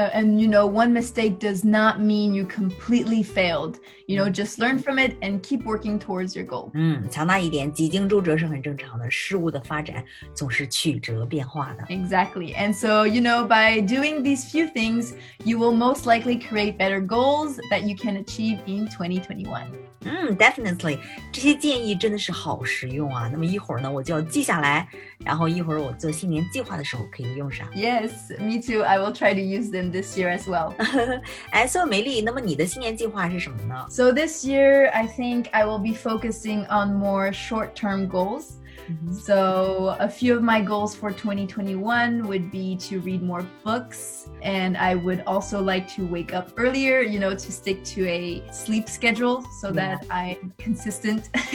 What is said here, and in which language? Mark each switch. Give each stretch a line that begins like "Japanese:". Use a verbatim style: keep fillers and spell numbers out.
English: Uh, and you know, one mistake does not mean you completely failed. You know, just learn from it and keep working towards your goal.
Chinese: 嗯，强大一点，几经周折是很正常的，事物的发展总是曲折变化的。
English: Exactly. And so, you know, by doing these few things, you will most likely create better. goals that you can achieve in twenty twenty-one. Mm, definitely.
Chinese: 这些建议真的是好实用啊。那么一会儿呢，我就要记下来，然后一会儿我做新年计划的时候可以用上。
English: Yes, me too. I will try to use them this year as well.
Chinese: 哎，所以美丽，那么你的新年计划是什么呢？
English: So this year, I think I will be focusing on more short-term goals. Mm-hmm. So a few of my goals for twenty twenty-one would be to read more books, and I would also like to wake up earlier, you know, to stick to a sleep schedule so yeah. that I'm consistent.